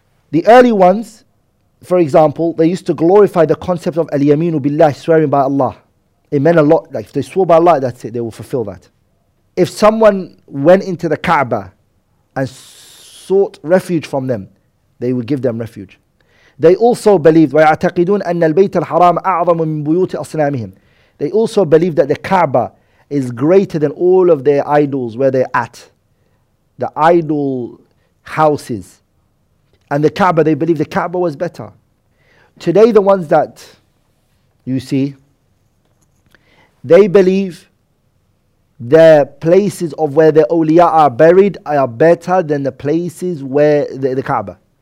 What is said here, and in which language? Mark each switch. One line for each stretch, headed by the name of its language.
English: The early ones, for example, they used to glorify the concept of al-yaminu billah, swearing by Allah. It meant a lot. Like, if they swore by Allah, that's it. They will fulfill that. If someone went into the Kaaba and sought refuge from them, they would give them refuge. They also believed,
Arabic: وَيَعْتَقِدُونَ أَنَّ الْبَيْتَ الْحَرَامَ أَعْظَمُ مِنْ بُيُوتِ أَصْنَامِهِمْ.
English: They also believed that the Kaaba is greater than all of their idols where they're at. The idol houses. And the Kaaba, they believed the Kaaba was better. Today, the ones that you see, they believe the places of where the awliya are buried are better than the places where the Kaaba.